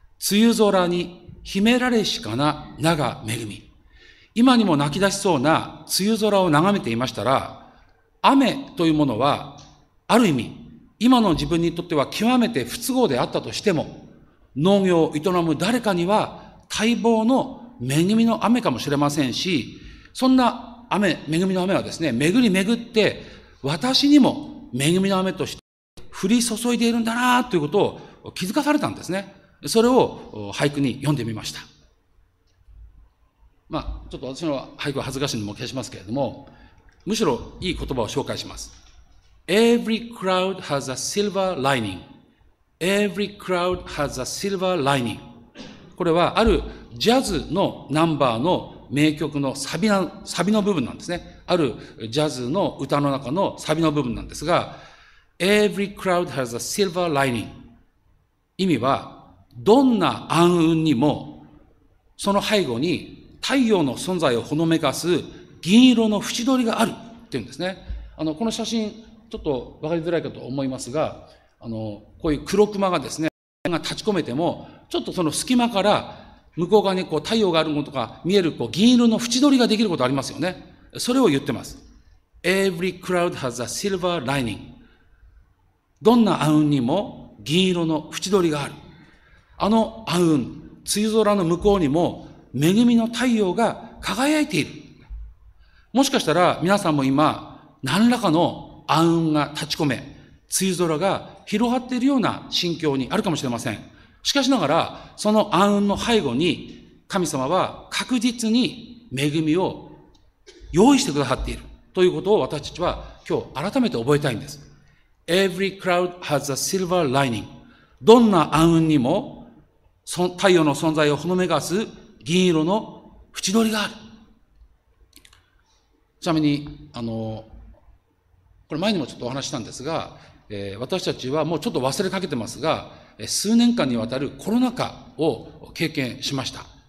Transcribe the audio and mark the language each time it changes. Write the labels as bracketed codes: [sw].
[ja] 梅雨空に秘められしかな長めぐみ、今にも泣き出しそうな梅雨空を眺めていましたら、雨というものはある意味今の自分にとっては極めて不都合であったとしても、農業を営む誰かには待望の恵みの雨かもしれませんし、そんな雨、恵みの雨はですね巡り巡って私にも恵みの雨として降り注いでいるんだなということを気づかされたんですね。それを俳句に読んでみました。ちょっと私の俳句は恥ずかしいのも消しますけれども、むしろいい言葉を紹介します。 [en] Every cloud has a silver lining. Every cloud has a silver lining. [ja] これはあるジャズのナンバーの名曲のサビの部分なんですね。あるジャズの歌の中のサビの部分なんですが、 [en] Every cloud has a silver lining. [ja] 意味はどんな暗雲にもその背後に太陽の存在をほのめかす銀色の縁取りがあるっていうんですね。この写真ちょっと分かりづらいかと思いますが、こういう黒クマがですね立ち込めても、ちょっとその隙間から向こう側にこう太陽があるものとか見えるこう銀色の縁取りができることありますよね。それを言ってます。 [en] Every cloud has a silver lining. [ja] どんな暗雲にも銀色の縁取りがある。あの暗雲、梅雨空の向こうにも恵みの太陽が輝いている。もしかしたら皆さんも今何らかの暗雲が立ち込め、梅雨空が広がっているような心境にあるかもしれません。しかしながらその暗雲の背後に神様は確実に恵みを用意してくださっているということを私たちは今日改めて覚えたいんです。 [en] Every cloud has a silver lining. [ja] どんな暗雲にも太陽の存在をほのめかす銀色の縁取りがある。ちなみにこれ前にもちょっとお話したんですが、私たちはもうちょっと忘れかけてますが、数年間にわたるコロナ禍を経験しました。